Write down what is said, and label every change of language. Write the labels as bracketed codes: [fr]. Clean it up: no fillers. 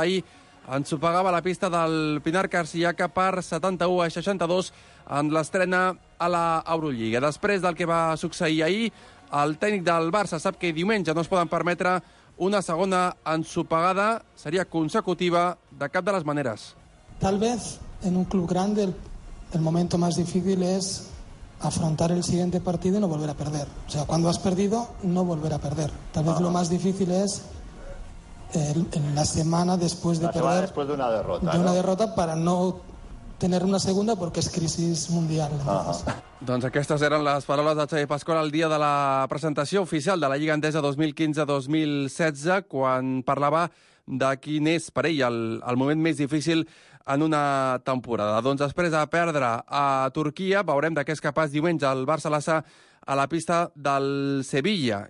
[ca] Ahir ens ho pagava la pista del Pinar Carciaca per 71 a 62 en l'estrena a la Eurolliga. Després del que va succeir ahir, el tècnic del Barça sap que diumenge no es poden permetre una segona ensopegada, seria consecutiva, de cap de les maneres. [es] Tal vez en un club grande el momento más difícil es afrontar el siguiente partido y no volver a perder. O sea, cuando has perdido, no volver a perder. Tal vez lo más difícil es en la semana después de perder. Después de una derrota. De una derrota para no tener una segunda porque es crisis mundial. [ca] Doncs aquestes eren les paraules de Xavi Pascual el dia de la presentació oficial de la Lliga Endesa 2015-2016, quan parlava de quin és per ell el moment més difícil en una temporada. Doncs després de perdre a Turquia, veurem de què és capaç diumenge el Barça-Lassa a la pista del Sevilla.